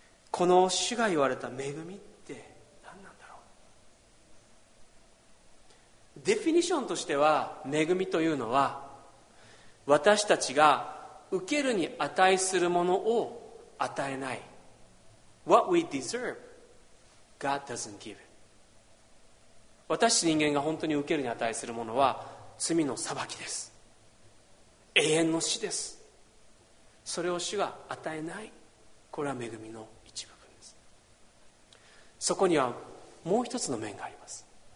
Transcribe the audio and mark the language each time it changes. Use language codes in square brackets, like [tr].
[ja] この主が言われた恵みって何なんだろう。デフィニションとしては、恵みというのは私たちが受けるに値するものを与えない。 [en] What we deserve God doesn't give it。 [ja] 私人間が本当に受けるに値するものは罪の裁きです。永遠の死です。それを主が与えない。これは恵みの一部分です。そこにはもう一つの面があります。